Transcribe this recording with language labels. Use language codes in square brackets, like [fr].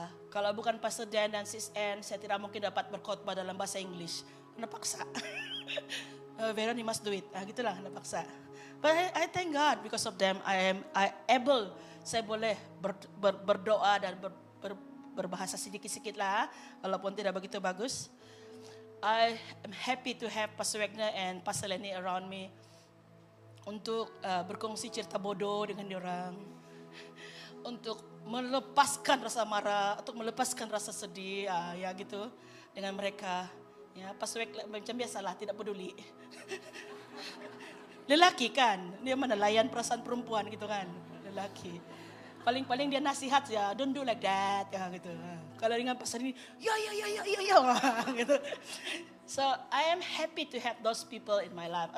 [ms] Kalau bukan Pastor Dan dan Sis Anne, saya tidak mungkin dapat berkhotbah dalam bahasa Inggris. Kena paksa. Veron, [en] you must do it. [ms] Gitulah, kena paksa. [en] But I thank God because of them, I am able. [ms] Saya boleh berdoa dan berbahasa sedikit-sedikit lah, walaupun tidak begitu bagus. [en] I am happy to have Pastor Wagner and Pastor Lenny around me [ms] untuk berkongsi cerita bodoh dengan diorang. Untuk melepaskan rasa marah, untuk melepaskan rasa sedih, ya gitu, dengan mereka. Ya, Pastor Wagner macam biasalah, tidak peduli. Lelaki kan, dia mana layan perasaan perempuan gitu kan, lelaki. Paling-paling dia nasihat ya, [en] don't do like that, [ms] ya gitu. Kalau dengan pasal ini, ya, gitu. [en] So, I am happy to have those people in my life.